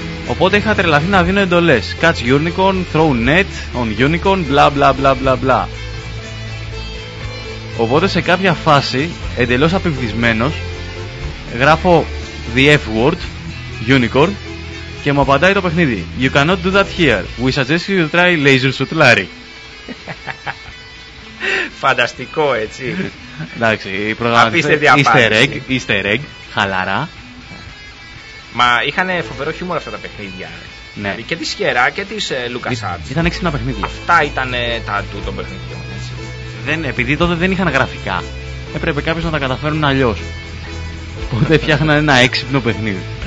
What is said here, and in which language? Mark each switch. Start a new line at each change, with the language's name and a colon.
Greek: Οπότε είχα τρελαθεί να δίνω εντολές.
English: Catch unicorn, throw net on unicorn, bla bla bla bla bla.
Greek: Οπότε σε κάποια φάση, εντελώς απειβδισμένος, γράφω
English: the F word,
Greek: unicorn, και μου απαντάει το παιχνίδι:
English: You cannot do that here. We suggest you try laser shoot Larry.
Greek: Φανταστικό, έτσι. Εντάξει, προγραμματίστε. Easter egg, χαλαρά. Μα είχαν φοβερό χιούμορ αυτά τα παιχνίδια. Ναι. Και τη Sierra και τη LucasArts. Ήταν έξυπνα παιχνίδια. Αυτά ήταν τα του των παιχνιδιών. Δεν, επειδή τότε δεν είχαν γραφικά, έπρεπε κάποιο να τα καταφέρουν αλλιώ. Οπότε φτιάχναν ένα έξυπνο παιχνίδι.